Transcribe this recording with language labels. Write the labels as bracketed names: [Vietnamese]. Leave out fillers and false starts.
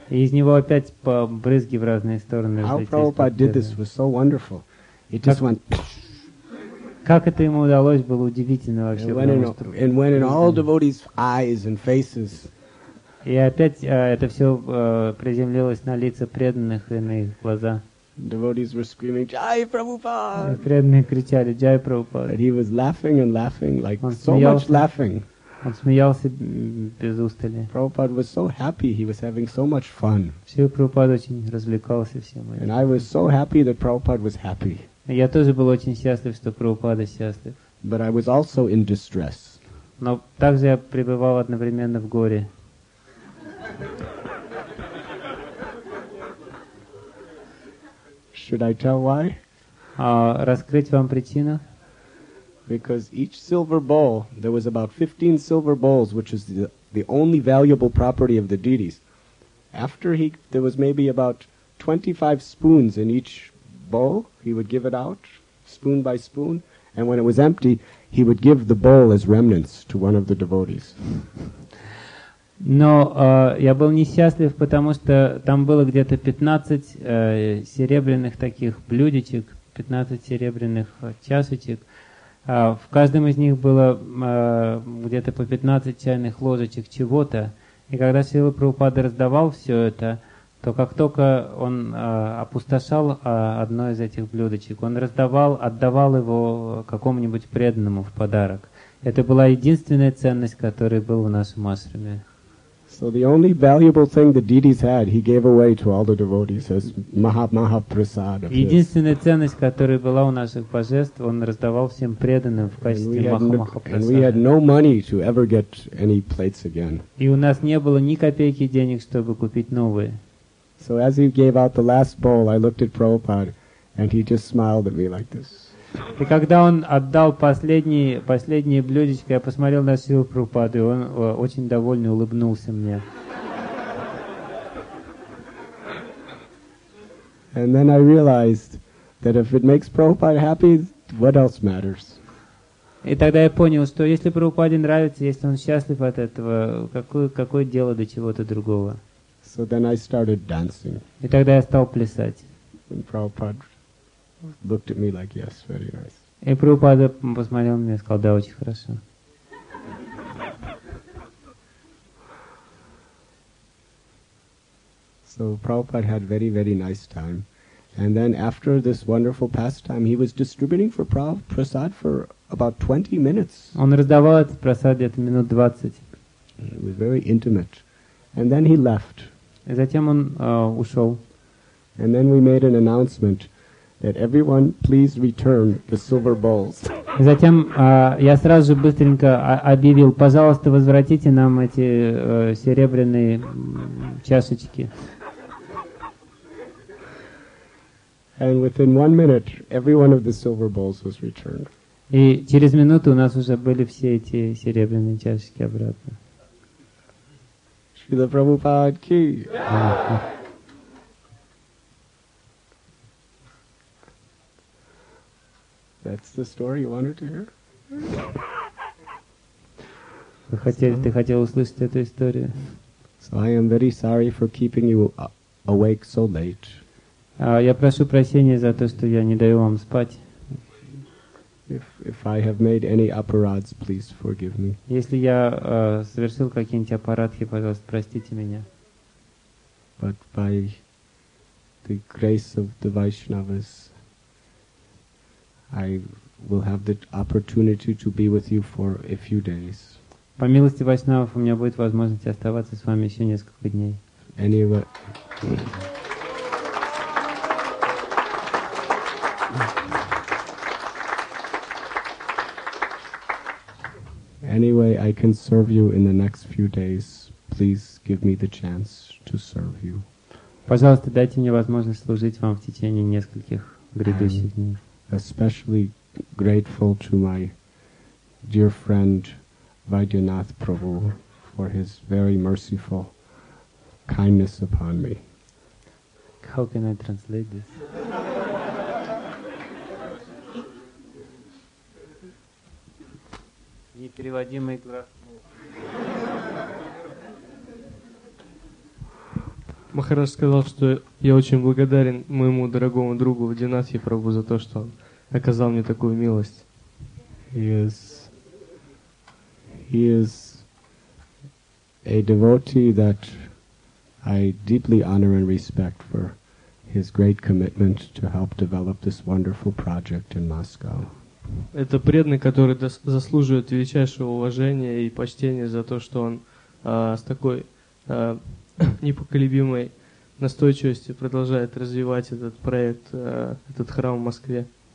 [Russian] И из него опять по брызги в разные стороны. [English] How Prabhupada did this was so wonderful. It just went. [Russian] Как это ему удалось, было удивительно вообще. [English] And when in all devotees' eyes and faces. [Russian] И опять это все приземлилось на лица преданных и на их глаза. [English] Devotees were screaming, [Hindi] "Jai Prabhupada!" [Russian] Преданные кричали, [Hindi] "Jai Prabhupada!" [English] And he was laughing and laughing, like so much laughing. [Russian] Он смеялся без устали. [English] Prabhupada was so happy, he was having so much fun. [Russian] Шрила Прабхупада очень развлекался всем этим. [English] And I was so happy that Prabhupada was happy. [Russian] Я тоже был очень счастлив, что Прабхупада счастлив. [English] But I was also in distress. [Russian] Но также я пребывал одновременно в горе. [English] Should I tell why? [Russian] Раскрыть вам причину? [English] Because each silver bowl, there was about 15 silver bowls, which is the only valuable property of the deities. There was maybe about 25 spoons in each bowl. He would give it out, spoon by spoon. And when it was empty, he would give the bowl as remnants to one of the devotees. [Russian] Но я был несчастлив, потому что там было где-то 15 серебряных таких блюдечек, 15 серебряных чашечек. В каждом из них было где-то по 15 чайных ложечек чего-то. И когда Шрила Прабхупада раздавал все это, то как только он опустошал одно из этих блюдочек, он отдавал его какому-нибудь преданному в подарок. Это была единственная ценность, которая была в нашем ашраме. [English] So the only valuable thing the deities had, he gave away to all the devotees as maha prasad. [Russian] Единственная ценность, которая была у наших божеств, он раздавал всем преданным в качестве маха прасада. [English] And we had no money to ever get any plates again. [Russian] И у нас не было ни копейки денег, чтобы купить новые. [English] So as he gave out the last bowl, I looked at Prabhupada, and he just smiled at me like this. [Russian] И когда он отдал последнее блюдечко, я посмотрел на Шрилу Прабхупаду, и он очень довольный улыбнулся мне. [English] And then I realized that if it makes Prabhupada happy, what else matters? [Russian] И тогда я понял, что если Прабхупаде нравится, если он счастлив от этого, какое дело до чего-то другого? [English] So then I started dancing. [Russian] И тогда я стал плясать. [English] And Prabhupada looked at me like, yes, very nice. [Russian] И Прабхупада посмотрел на меня и сказал, да, очень хорошо. [English] So So Prabhupada had very, very nice time. And then after this wonderful pastime, he was distributing for prasad for about 20 minutes. [Russian] Он раздавал этот прасад где-то минут 20. [English] It was very intimate. And then he left. [Russian] И затем он ушел. [English] And then we made an announcement that everyone please return the silver bowls. [Russian] И затем я сразу же быстренько объявил, пожалуйста, возвратите нам эти серебряные чашечки. [English] And within 1 minute, every one of the silver bowls was returned. [Russian] И через минуту у нас уже были все эти серебряные чашечки обратно. [Hindi] Шрила Прабхупад ки! [English] That's the story you wanted to hear? [Russian] Ты хотел услышать эту историю? [English] So I am very sorry for keeping you awake so late. [Russian] Я прошу прощения за то, что я не даю вам спать. [English] If I have made any aparads, please forgive me. [Russian] Если я совершил какие-нибудь аппаратхи, пожалуйста, простите меня. [English] But by the grace of the Vaishnavas, I will have the opportunity to be with you for a few days. [Russian] По милости Вайшнавов у меня будет возможность оставаться с вами еще несколько дней. [English] Anyway. Anyway, I can serve you in the next few days. Please give me the chance to serve you. [Russian] Пожалуйста, дайте мне возможность служить вам в течение нескольких грядущих дней. [English] Especially grateful to my dear friend Vaidyanath Prabhu for his very merciful kindness upon me. How can I translate this? [Russian] Непереводимый глаз. Махарадж сказал, что я очень благодарен моему дорогому другу Вайдьянатхе Прабху за то, что он оказал мне такую милость. [English] He is a devotee that I deeply honor and respect for his great commitment to help develop this wonderful project in Moscow. [Russian] Это преданный, который заслуживает величайшего уважения и почтения за то, что он с такой непоколебимой настойчивостью продолжает развивать этот проект, этот храм в Москве.